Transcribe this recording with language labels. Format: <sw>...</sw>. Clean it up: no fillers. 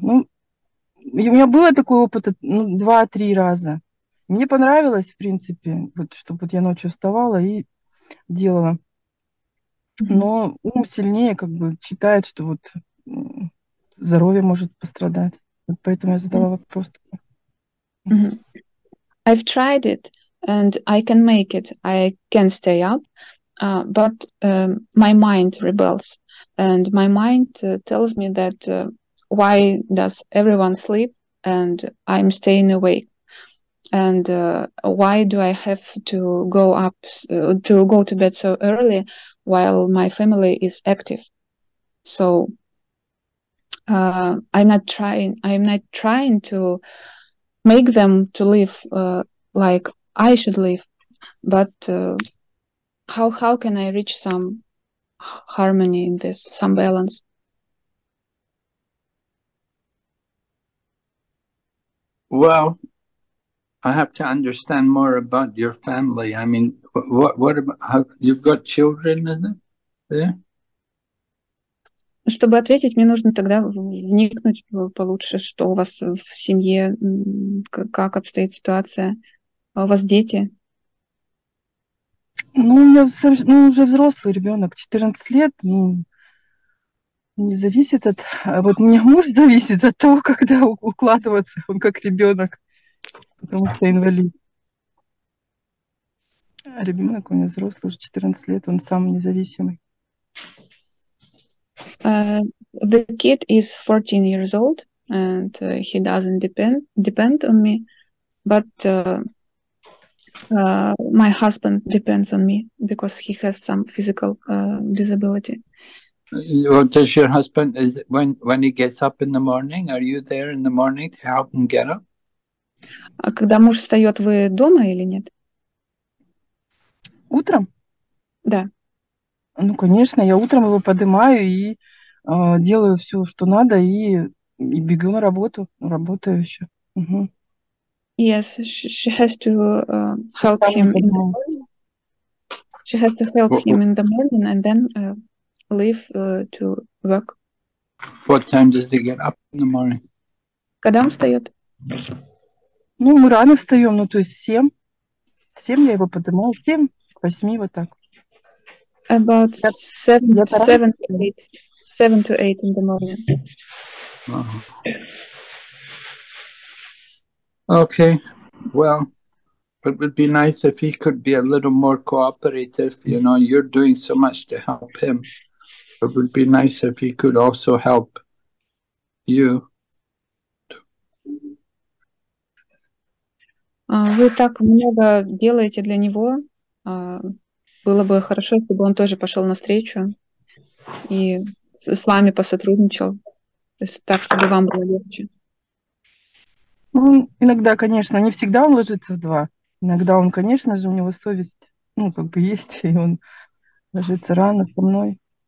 <ru>Ну, у меня было такой опыт, ну, 2-3 раза. Мне понравилось, в принципе, вот, чтобы вот я ночью вставала и делала. Но ум сильнее как бы читает, что вот здоровье может пострадать. Вот поэтому я задала вопрос.</ru> <en>I've tried it, and I can make it. I can stay up. But my mind rebels, and my mind tells me that why does everyone sleep and I'm staying awake? And why do I have to go up to go to bed so early while my family is active? So I'm not trying to make them to live like I should live, but how can I reach some harmony in this, some balance? Well, I have to understand more about your family. I mean, what about, how, you've got children, isn't it? Yeah.</en> <ru>Чтобы ответить, мне нужно тогда вникнуть получше, что у вас в семье, как обстоит ситуация. А у вас дети? Ну, у меня уже взрослый ребенок, 14 лет. Ну, не зависит от... А вот у меня муж зависит от того, когда укладываться, он как ребенок. Потому что инвалид. А ребенок у меня взрослый, уже 14 лет, он самый независимый.</ru> <en>The kid is 14 years old and he doesn't depend on me, but my husband depends on me because he has some physical disability. Well, does your husband, is it when he gets up in the morning, are you there in the morning to help him get up?</en> <ru>А когда муж встает, вы дома или нет? Утром? Да. Ну, конечно, я утром его поднимаю и делаю все, что надо, и бегу на работу. Работаю еще. Угу.</ru> <en>Yes, she has to help him. She has to help him in the morning and then leave to work. What time does he get up in the morning?</en> <ru>Когда он встает? Ну, мы рано встаем, ну, то есть в 7. В 7 я его поднимаю, в 7, 8, вот так.</ru> <en>About 7 to 8 in the morning. Okay, well, it would be nice if he could be a little more cooperative. You know, you're doing so much to help him. It would be nice if he could also help you.</en> <ru>Вы так много делаете для него. Было бы хорошо, если бы он тоже пошел навстречу и с вами посотрудничал, то есть так, чтобы вам было легче. Ну, иногда, конечно, не всегда он ложится в 2. Иногда он, конечно же, у него совесть, ну, как бы есть, и он ложится рано со мной.</ru>